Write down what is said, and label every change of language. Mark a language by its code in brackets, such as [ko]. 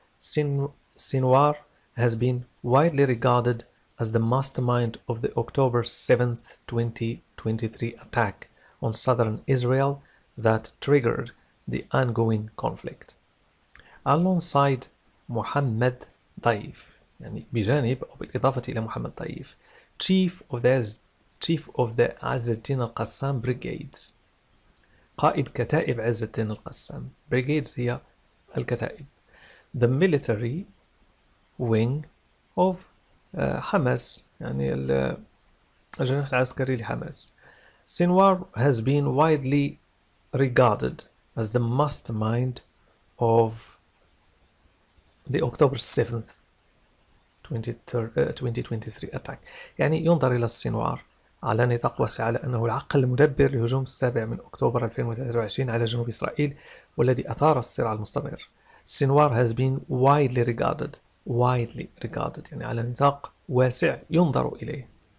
[en] Sinwar has been widely regarded as the mastermind of the October 7th, 2023 attack on southern Israel that triggered the ongoing conflict. alongside [ar] محمد طيف، يعني بجانب أو بالإضافة إلى محمد طيف، [en] chief of the [ar] عز الدين القسام [en] brigades، [ar] قائد كتائب عز الدين القسام. [en] brigades [ar] هي الكتائب. [en] the military wing of [ar] حماس، يعني الجناح العسكري لحماس. [en] Sinwar has been widely regarded as the mastermind of the October 7th 2023 attack. [ar] يعني ينظر إلى السينوار على نطاق واسع على أنه العقل المدبر لهجوم السابع من أكتوبر 2023 على جنوب إسرائيل والذي أثار الصراع المستمر. [en] Sinwar has been widely regarded. Widely regarded [ar] يعني على نطاق واسع ينظر إليه.